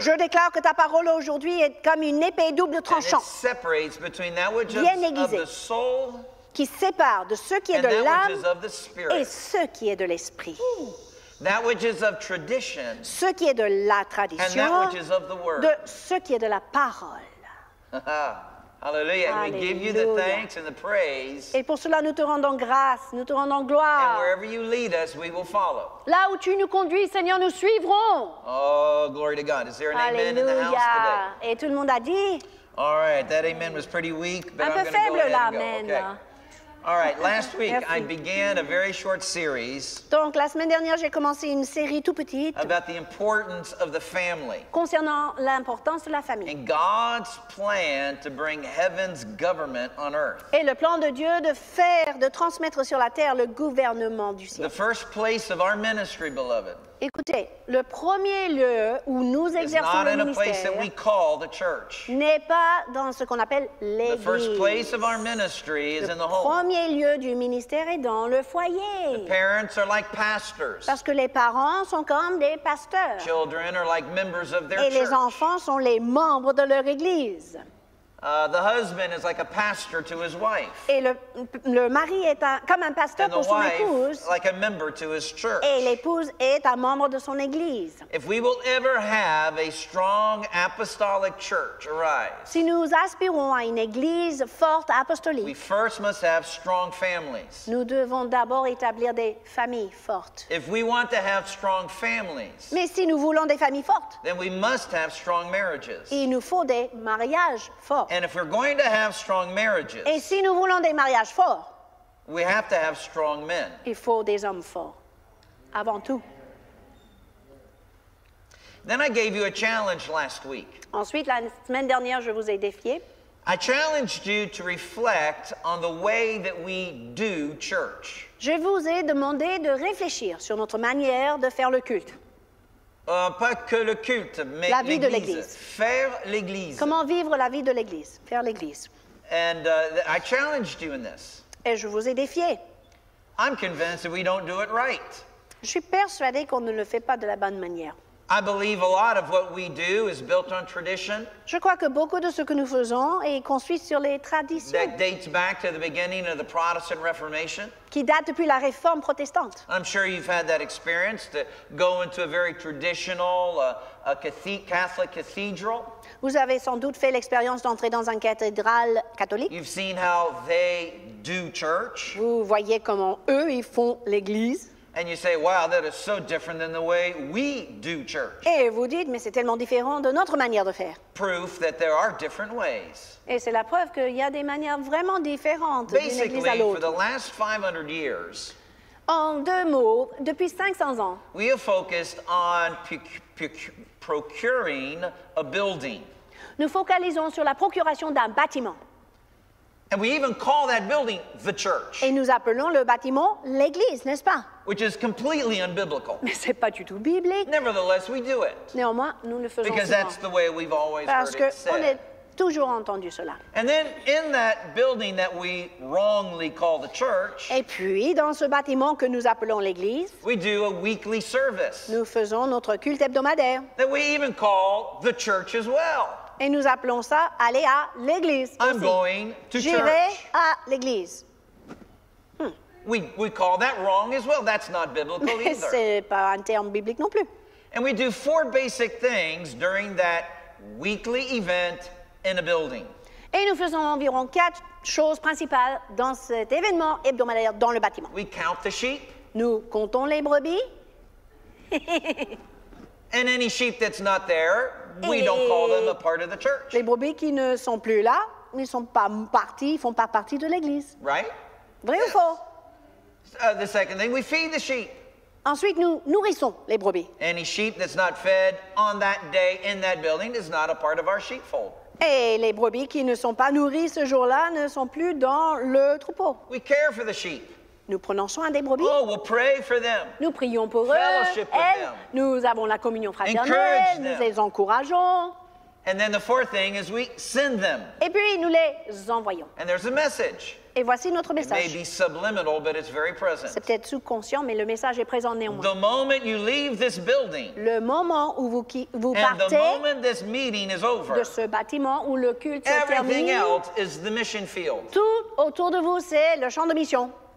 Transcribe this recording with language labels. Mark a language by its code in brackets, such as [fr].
[fr] Je déclare que ta parole aujourd'hui est comme une épée double tranchant, [en] and it separates between that which [fr] bien aiguisée, [en] of the soul, [fr] qui sépare de ce qui est de l'âme et ce qui est de l'esprit. [en] That which is of tradition, [fr] ce qui est de la tradition, [en] and that which is of the word. [fr] De ce qui est de la parole. [en] Hallelujah. [fr] Alleluia. [en] We give you the thanks and the praise. [fr] Et pour cela, nous te rendons grâce, nous te rendons gloire. [en] And wherever you lead us, we will follow. [fr] Là où tu nous conduis, Seigneur, nous suivrons. [en] Oh, glory to God. Is there an [fr] Alleluia. [en] Amen in the house today? [fr] Et tout le monde a dit. [en] All right, that amen was pretty weak, but [fr] un [en] I'm [fr] peu faible, [en] go ahead and go. [fr] Amen. [en] Okay. All right, last week I began a very short series. [fr] Donc la semaine dernière, j'ai commencé une série tout petite. [en] About the importance of the family. [fr] Concernant l'importance de la famille. [en] And God's plan to bring heaven's government on earth. [fr] Et le plan de Dieu de faire de transmettre sur la terre le gouvernement du ciel. [en] The first place of our ministry, beloved. [fr] Écoutez, le premier lieu où nous exerçons le ministère n'est pas dans ce qu'on appelle l'église. [en] The first place of our ministry is [fr] le [en] in the home. [fr] Premier lieu du ministère est dans le foyer. [en] The parents are like pastors. [fr] Parce que les parents sont comme des pasteurs. [en] Children are like members of their [fr] Et [en] church. [fr] Les enfants sont les membres de leur église. [en] The husband is like a pastor to his wife. [fr] Et le mari est comme un pasteur pour son épouse. [en] Like a member to his church. [fr] Et l'épouse est un membre de son église. [en] If we will ever have a strong apostolic church arise. [fr] Si nous aspirons à une église forte apostolique. [en] We first must have strong families. [fr] Nous devons d'abord établir des familles fortes. [en] If we want to have strong families. [fr] Mais si nous voulons des familles fortes. [en] Then we must have strong marriages. [fr] Il nous faut des mariages forts. [en] And if we're going to have strong marriages, [fr] et si nous voulons des mariages forts, [en] we have to have strong men. [fr] Il faut des hommes forts, avant tout. [en] Then I gave you a challenge last week. [fr] Ensuite, la semaine dernière, je vous ai défié. [en] I challenged you to reflect on the way that we do church. [fr] Je vous ai demandé de réfléchir sur notre manière de faire le culte. Pas que le culte, mais la vie de l'Église. Faire l'Église. Comment vivre la vie de l'Église? Faire l'Église. [en] And I challenged you in this. [fr] Et je vous ai défié. [en] I'm convinced that we don't do it right. [fr] Je suis persuadée qu'on ne le fait pas de la bonne manière. [en] I believe a lot of what we do is built on tradition. [fr] Je crois que beaucoup de ce que nous faisons est construit sur les traditions. [en] That dates back to the beginning of the Protestant Reformation. [fr] Qui date depuis la réforme protestante. [en] I'm sure you've had that experience to go into a very traditional Catholic cathedral. [fr] Vous avez sans doute fait l'expérience d'entrer dans une cathédrale catholique. [en] You've seen how they do church. [fr] Vous voyez comment eux ils font l'église. [en] And you say, "Wow, that is so different than the way we do church." [fr] Et vous dites, mais c'est tellement différent de notre manière de faire. [en] Proof that there are different ways. [fr] Et c'est la preuve qu'il y a des manières vraiment différentes d'une église à l'autre. [en] Basically, for the last 500 years. [fr] En deux mots, depuis 500 ans. [en] We have focused on procuring a building. [fr] Nous focalisons sur la procuration d'un bâtiment. [en] And we even call that building the church. [fr] Et nous appelons le bâtiment l'église, n'est-ce pas? [en] Which is completely unbiblical. [fr] Mais c'est pas du tout biblique. [en] Nevertheless, we do it. [fr] Néanmoins, nous le faisons. [en] Because [fr] souvent. [en] That's the way we've always [fr] Parce [en] heard it said. [fr] Parce que on a toujours entendu cela. [en] And then in that building that we wrongly call the church. [fr] Et puis dans ce bâtiment que nous appelons l'église. [en] We do a weekly service. [fr] Nous faisons notre culte hebdomadaire. [en] That we even call the church as well. [fr] Et nous appelons ça aller à l'église. [en] I'm going to church. [fr] J'irai à l'église. [en] We call that wrong as well. That's not biblical [fr] Mais [en] either. [fr] C'est pas un terme biblique non plus. [en] And we do four basic things during that weekly event in a building. [fr] Et nous faisons environ quatre choses principales dans cet événement hebdomadaire dans le bâtiment. [en] We count the sheep. [fr] Nous comptons les brebis. [en] And any sheep that's not there, we don't call them a part of the church. [fr] Les brebis qui ne sont plus là, ils sont pas partis, font pas partie de l'église. [en] Right? [fr] Vrai ou faux? [en] The second thing, we feed the sheep. [fr] Ensuite, nous nourrissons les brebis. [en] Any sheep that's not fed on that day in that building is not a part of our sheepfold. [fr] Et les brebis qui ne sont pas nourries ce jour-là ne sont plus dans le troupeau. [en] We care for the sheep. [fr] Nous prenons soin des brebis. [en] Oh, we'll pray for them. [fr] Nous prions pour [en] Fellowship [fr] eux. [en] With them. [fr] Nous avons la communion fraternelle. Nous les encourageons. [en] And then the fourth thing is we send them. [fr] Et puis nous les envoyons. [en] And there's a message. [fr] Et voici notre message. [en] It may be subliminal, but it's very present. [fr] C'est peut-être sous-conscient, mais le message est présent néanmoins. [en] The moment you leave this building, [fr] le moment où vous [en] and [fr] partez [en] the moment this meeting is over, [fr] de ce bâtiment où le culte se termine, [en] everything else is the mission field. [fr] Tout autour de vous, c'est le champ de mission.